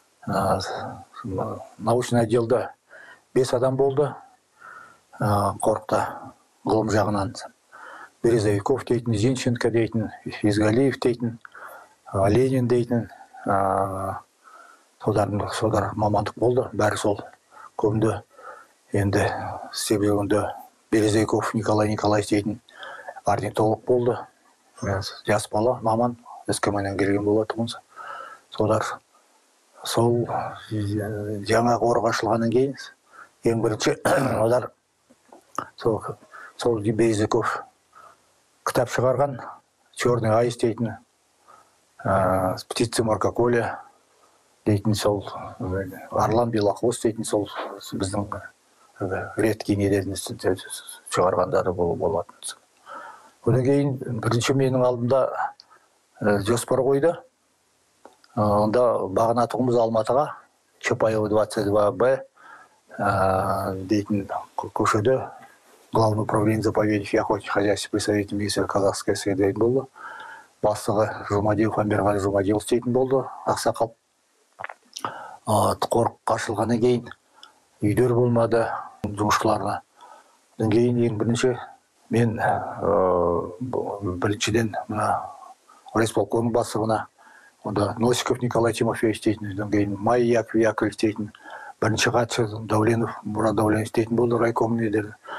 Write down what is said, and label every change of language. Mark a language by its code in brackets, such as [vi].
[kk] Научный отделде 5 адам болды. Қорықта ғылым жағынан Березовиков дейтін, Зинченко дейтін, Физгалиев дейтін, Ленин дейтін, содар мамандық болды, бәрі сол көмді. Енді себебінде Березовиков Николай Николаевич дейтін орнитолог болды. Жас бала маман, СКМ-нен келген болады онсы. Содар сол жаңа қорық ашылғаннан кейін ең бірінші одар сол Березовиков кітап шығарған «Черный айс» дейтін, «Птицы Маркаколя» дейтін, сол «Арлан Белахвост» дейтін, сол біздің редкий нелерін шығарғандары болатын. Одан кейін бірінші менің алдымда жоспар қойды. Онда бағынатығымыз Алматыға, Чапаева 22Б дейтін көшеде. [ru] Главный управление заповедников и охотничьих хозяйств при Совете министров Казахской среды было. [kk] Бастығы Жумадиев, Амбергали Жумадиев істейтін болды, ақсақал. Қорық қашылғаны кейін, үйдер болмады жұмысшыларына. Кейін ең бірінші, мен біріншіден райисполкомның бастығына, онда Носиков Николай Тимофеевич істейтін, кейін Майя Яковлев істейтін, бірінші хатшы Дәуленов, Мұрат Дәуленов істейтін болды райкомның лидері.